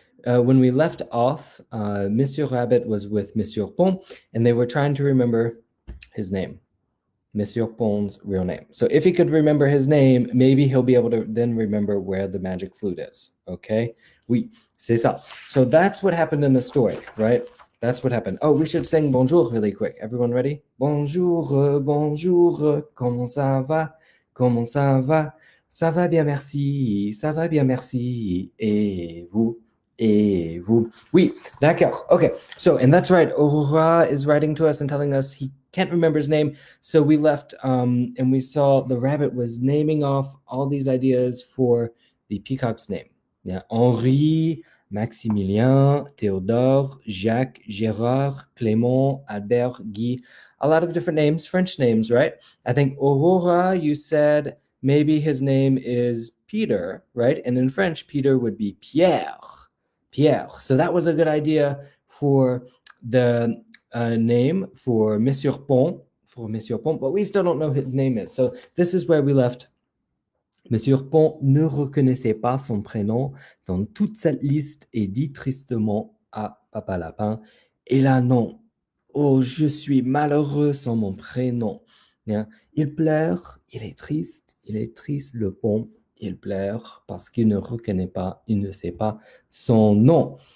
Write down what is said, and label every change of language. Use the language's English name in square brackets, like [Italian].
[English] When we left off, Monsieur Rabbit was with Monsieur Pon, and they were trying to remember his name, Monsieur Pon's real name. So if he could remember his name, maybe he'll be able to then remember where the magic flute is. Okay? [French] Oui, c'est ça. [English] So that's what happened in the story, right? That's what happened. Oh, we should sing bonjour really quick. Everyone ready? [French] Bonjour, bonjour, comment ça va? Comment ça va? Ça va bien, merci. Ça va bien, merci. Et vous? Et vous? Oui, d'accord. [English] OK. So, and that's right. Aurora is writing to us and telling us he can't remember his name. So we left and we saw the rabbit was naming off all these ideas for the peacock's name. Yeah, Henri, Maximilien, Théodore, Jacques, Gérard, Clément, Albert, Guy. A lot of different names, French names, right? I think Aurora, you said maybe his name is Peter, right? And in French, Peter would be Pierre. Pierre. So that was a good idea for the name for Monsieur Pont, but we still don't know what his name is. So this is where we left. [French] Monsieur Pont ne reconnaissait pas son prénom dans toute cette liste et dit tristement à Papa Lapin, et là non. Oh, je suis malheureux sans mon prénom. Yeah. Il pleure, il est triste, le pont, il pleure parce qu'il ne reconnaît pas, il ne sait pas son nom.